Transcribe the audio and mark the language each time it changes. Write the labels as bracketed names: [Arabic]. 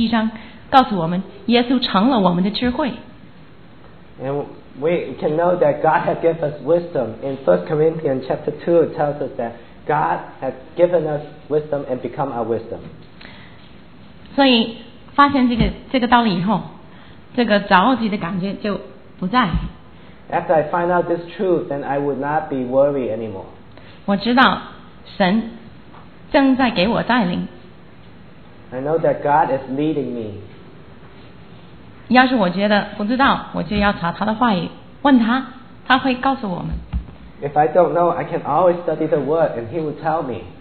[Chinese] 你们从主所受的恩膏常存在你们心里，并不用人教训你们，自有主的恩膏在凡事上教训你们。这恩膏是真的，不是假的。你们要按照恩膏的教训住在主里面。所以神就用这句话让我知道，他给我们智慧。有另外一个地方就是，哥林多前书第二章，第一章告诉我们，耶稣成了我们的智慧。 [English] And we can know that God has given us wisdom. In 1 Corinthians chapter 2, it tells us that God has given us wisdom and become our wisdom. [Chinese] 所以发现这个道理以后，这个着急的感觉就不在。 [English] After I find out this truth, then I would not be worried anymore. [Chinese] 我知道神正在给我带领。 [English] I know that God is leading me. [Chinese] 要是我觉得不知道，我就要查他的话语，问他，他会告诉我们。 [English] If I don't know, I can always study the word, and he will tell me.